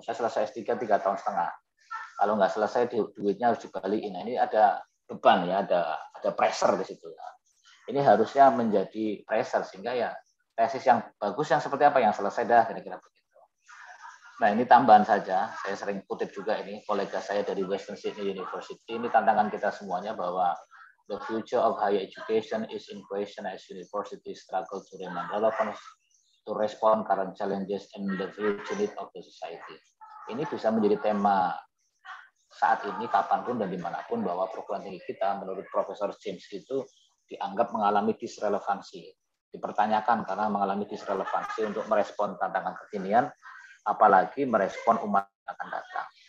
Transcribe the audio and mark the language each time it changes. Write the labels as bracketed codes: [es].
[id] Saya selesai S3 3 tahun setengah. Kalau nggak selesai duitnya harus dibalikin. Nah, ini ada beban ya, ada pressure di situ. Nah, ini harusnya menjadi pressure sehingga ya tesis yang bagus yang seperti apa yang selesai dah kira-kira begitu. Nah, ini tambahan saja. Saya sering kutip juga ini kolega saya dari Western Sydney University. Ini tantangan kita semuanya bahwa [en] the future of higher education is in question as universities struggle to remain relevant to respond current challenges and the future need of the society. [id] Ini bisa menjadi tema saat ini, kapanpun dan dimanapun, bahwa perguruan tinggi kita menurut Profesor James itu dianggap mengalami disrelevansi. Dipertanyakan karena mengalami disrelevansi untuk merespon tantangan kekinian, apalagi merespon umat yang akan datang.